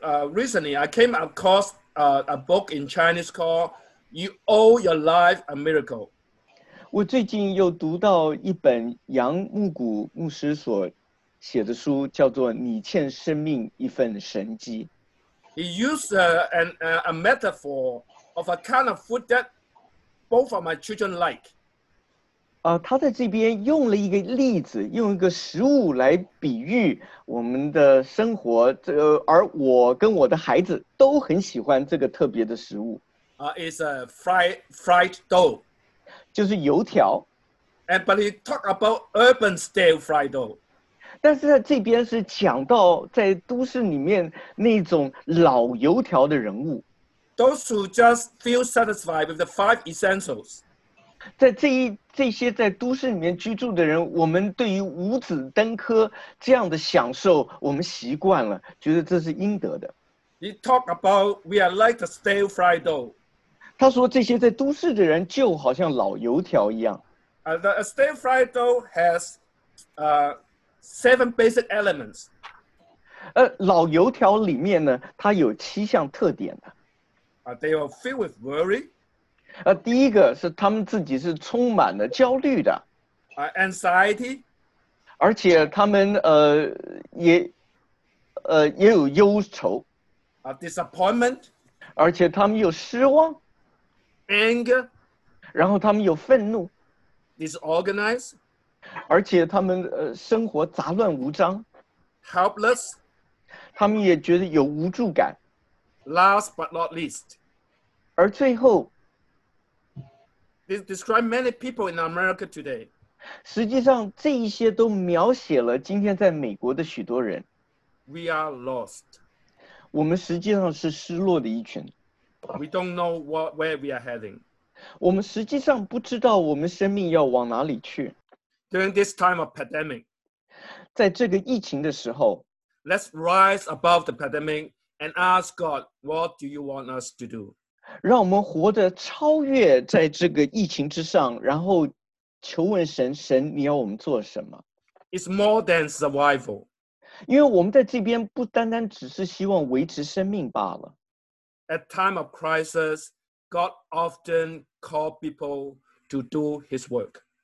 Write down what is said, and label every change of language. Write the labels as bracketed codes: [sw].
[en] Recently, I came across a book in Chinese called "You Owe Your Life a Miracle." [zh] 我最近又读到一本杨牧谷牧师所写的书，叫做《你欠生命一份神迹》。 [en] He used a metaphor of a kind of food that both of my children like. [zh] 他在这边用了一个例子，用一个食物来比喻我们的生活，而我跟我的孩子都很喜欢这个特别的食物。 [en] It's a fried dough. [zh] 就是油条。 [en] But he talked about urban style fried dough. [zh] 但是在这边是讲到在都市里面那种老油条的人物。 [en] Those who just feel satisfied with the five essentials. [zh] 在这些在都市里面居住的人，我们对于五子登科这样的享受，我们习惯了，觉得这是应得的。 [en] He talked about we are like the stale fried dough. [zh] 他说这些在都市的人就好像老油条一样。 [en] The stale fried dough has seven basic elements. [zh] 老油条里面呢，它有七项特点的。 [en] They are filled with worry. [zh] 第一个是他们自己是充满了焦虑的。 [en] Anxiety. [zh] 而且他们也有忧愁。 [en] Disappointment. [zh] 而且他们有失望。 [en] Anger. [zh] 然后他们有愤怒。 [en] Disorganized. [zh] 而且他们生活杂乱无章。 [en] Helpless. [zh] 他们也觉得有无助感。 [en] Last but not least. [zh] 而最后 [en] They describe many people in America today. [zh] 实际上这一些都描写了今天在美国的许多人。 [en] We are lost. [zh] 我们实际上是失落的一群。 [en] We don't know where we are heading. [zh] 我们实际上不知道我们生命要往哪里去。 [en] During this time of pandemic, [zh] 在这个疫情的时候 [en] let's rise above the pandemic and ask God, what do you want us to do? [zh] 让我们活得超越在这个疫情之上，然后求问神，神你要我们做什么？ [en] It's more than survival. [zh] 因为我们在这边不单单只是希望维持生命罢了。 [en] At time of crisis, God often called people to do his work.